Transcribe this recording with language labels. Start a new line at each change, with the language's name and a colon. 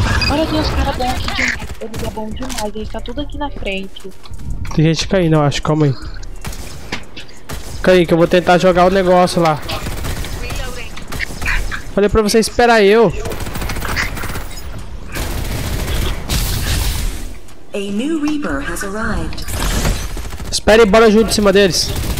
Portuguese: Olha, tem uns caras bons aqui demais. Ele é bom demais, ele tá tudo aqui na frente. Tem gente caindo, eu acho. Calma aí. Caí, que eu vou tentar jogar o negócio lá. Falei pra você esperar eu.
English: A new Reaper has arrived.
Portuguese: Espere, bora junto em cima deles.